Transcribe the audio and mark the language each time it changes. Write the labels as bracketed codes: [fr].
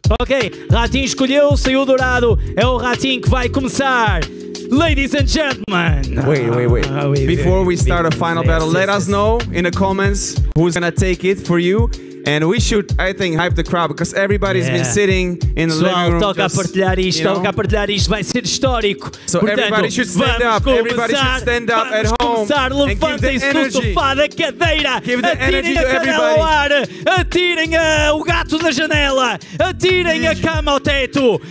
[pt] Ok, Ratinho escolheu, saiu dourado. É o Ratinho que vai começar. [en] Ladies and gentlemen! Wait. Before we start a final battle, let us know in the comments who's gonna take it for you. And we should, I think, hype the crowd because everybody's been sitting in the living room. [pt] Toca a partilhar isto, toca a partilhar isto, vai ser histórico. [en] So [pt] portanto, [en] everybody should stand up, everybody should stand up at home. [pt] Levantem-se do sofá da cadeira, atirem a cadeira ao ar, atirem o gato na janela, atirem a cama ao teto.